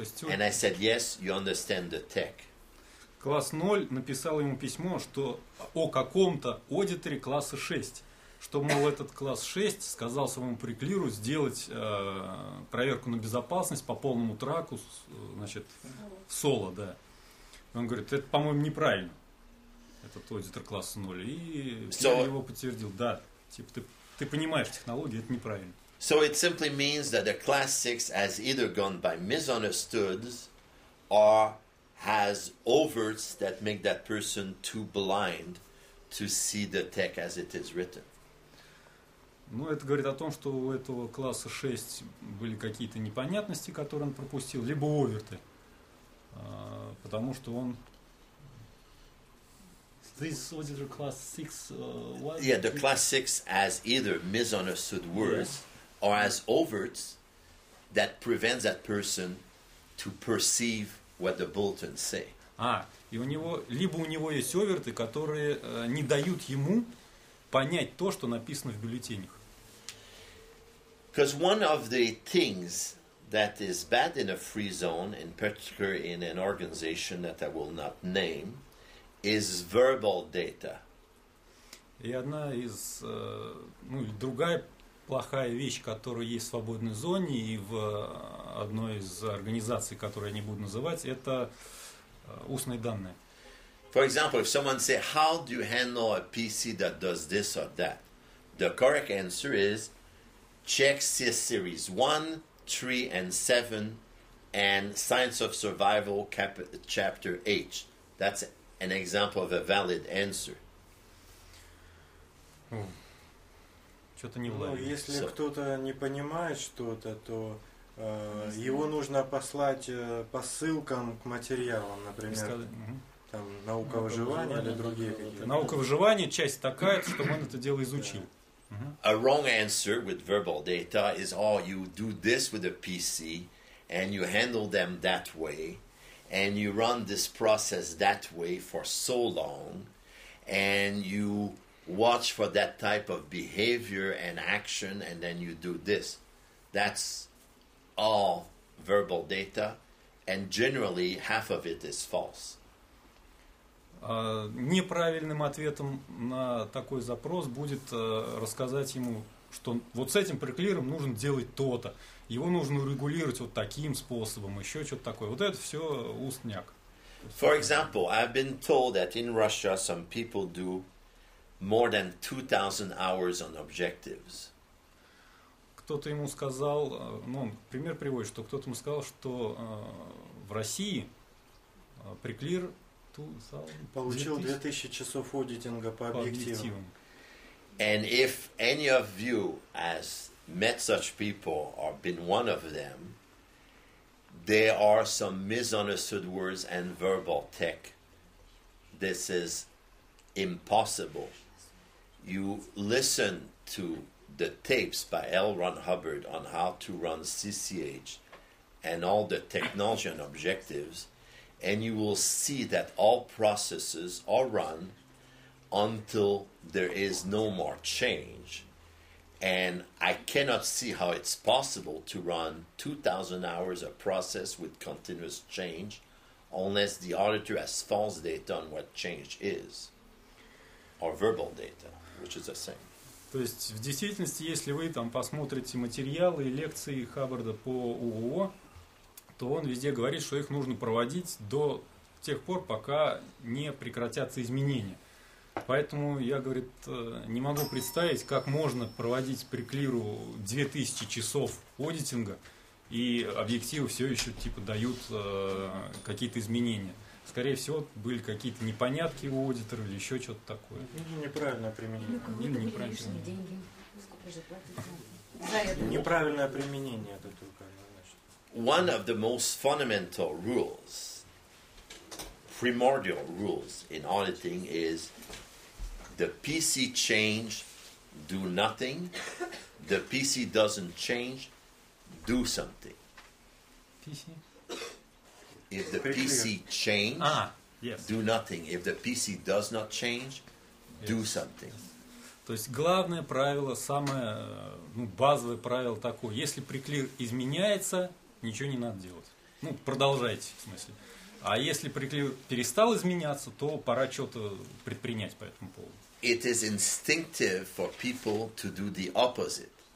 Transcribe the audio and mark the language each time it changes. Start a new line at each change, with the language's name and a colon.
English: And I said, yes, you understand the tech.
Russian: Класс 0 написал ему письмо, что о каком-то аудиторе класса 6, что, мол, этот класс 6 сказал своему приклиру сделать проверку на безопасность по полному траку, значит, соло, да. И он говорит, это, по-моему, неправильно, этот аудитор класса 0. И я его подтвердил, да, типа, ты понимаешь технологию, это неправильно.
English: So it simply means that the class 6 has either gone by misunderstood or has overts that make that person too blind to see the tech as it is written.
Russian: Ну, это говорит о том, что у этого класса 6 были какие-то непонятности, которые он пропустил, либо оверты, потому что он...
English: This auditor class 6 was... Yeah, the class 6 has either misunderstood words... Yes. Or as overts that prevents that person to perceive what the bulletin say.
Russian: А, и у него, либо у него есть оверты, которые не дают ему понять то, что написано в бюллетенях.
English: Because one of the things that is bad in a free zone, in particular in an organization that I will not name, is verbal data.
Russian: И одна из, ну, другая плохая вещь, которая есть в свободной зоне и в одной из организаций, которую я не буду называть, это устные данные.
English: For example, if someone say, how do you handle a PC that does this or that? The correct answer is, check C-Series 1, 3, and 7, and Science of Survival Chapter H. That's an example of a valid answer.
Russian: Что-то не влазит. Ну, если кто-то не понимает что-то, то его нужно послать по ссылкам к материалам, например, там, наука выживания или другие какие-то. Наука выживания – часть такая, чтобы он это дело изучил.
English: A wrong answer with verbal data is, oh, you do this with a PC, and you handle them that way, and you run this process that way for so long, and you... watch for that type of behavior and action, and then you do this. That's all verbal data, and generally half of it is false.
Russian: Неправильным ответом на такой запрос будет рассказать ему, что вот с этим приклиром нужно делать то-то, его нужно урегулировать вот таким способом, еще что-то такое. Вот это все устняк.
English: For example, I've been told that in Russia some people do more than 2,000 hours on objectives.
Russian: Кто-то ему сказал, ну, пример приводит, что кто-то ему сказал, что в России приклир получил 2,000 часов аудитинга по объективам.
English: And if any of you has met such people or been one of them, there are some misunderstood words and verbal tech. This is impossible. You listen to the tapes by L. Ron Hubbard on how to run CCH and all the technology and objectives, and you will see that all processes are run until there is no more change. And I cannot see how it's possible to run 2,000 hours of process with continuous change unless the auditor has false data on what change is, or verbal data, which is the same.
Russian: То есть, в действительности, если вы там посмотрите материалы и лекции Хаббарда по ООО, то он везде говорит, что их нужно проводить до тех пор, пока не прекратятся изменения. Поэтому я, говорит, не могу представить, как можно проводить при Клиру 2000 часов аудитинга, и объективы все еще типа дают какие-то изменения. Скорее всего, были какие-то непонятки у аудитора или еще что-то такое. Неправильное применение. Или неправильное применение. Неправильное применение это только.
English: One of the most fundamental rules, primordial rules in auditing is the PC change, do nothing. The PC doesn't change, do something. PC? If the PC change, yes. Do nothing. If the PC does not change, do yes. something.
Russian: То есть главное правило, самое базовое правило такое. Если приклир изменяется, ничего не надо делать. Ну, продолжайте, в смысле. А если приклир перестал изменяться, то пора что-то предпринять по этому поводу.
English: It is instinctive for people to do the opposite.